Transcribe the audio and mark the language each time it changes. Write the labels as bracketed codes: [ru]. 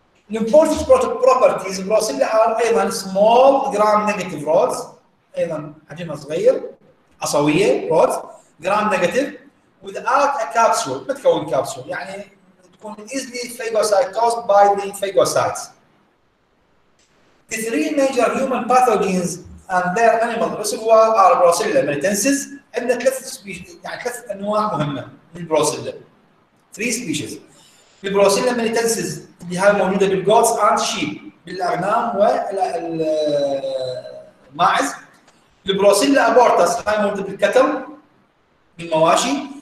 [en] الامبورتنت properties Brucella are ايضا small gram negative rods, [ar] ايضا حجمها صغير عصويه [en] rods gram negative without a capsule، [ar] ما تكون كابسول، يعني تكون [en] easily phagocytosed by the phagocytes. The three major human pathogens and their animal reservoir are Brucella melitensis. [ar] عندنا ثلاث species، يعني ثلاث انواع مهمه من Brucella. [en] Three species. The Brucella melitensis [ar] اللي هي موجوده [en] بالgoats and sheep، [ar] بالاغنام والماعز. The Brucella abortus هاي موجوده بالكتل بالمواشي.